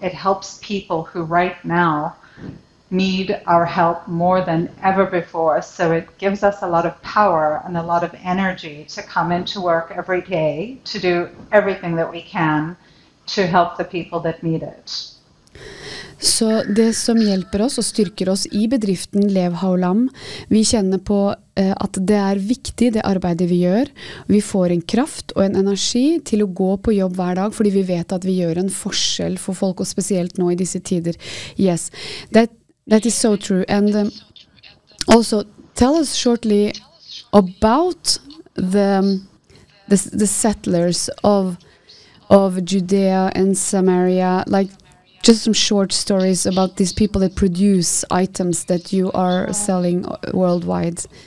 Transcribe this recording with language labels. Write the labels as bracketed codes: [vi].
[en] It helps people who right now need our help more than ever before. So it gives us a lot of power and a lot of energy to come into work every day to do everything that we can to help the people that need it. [no] Så det som hjelper oss og styrker oss I bedriften Lev Haulam, vi kjenner på at det viktig det arbeidet vi gjør. Vi får en kraft og en energi til å gå på jobb hver dag, fordi vi vet at vi gjør en forskjell for folk, og spesielt nå I disse tider. [en] Yes, that is so true. And also, tell us shortly about the settlers of Judea and Samaria, like just some short stories about these people that produce items that you are selling worldwide.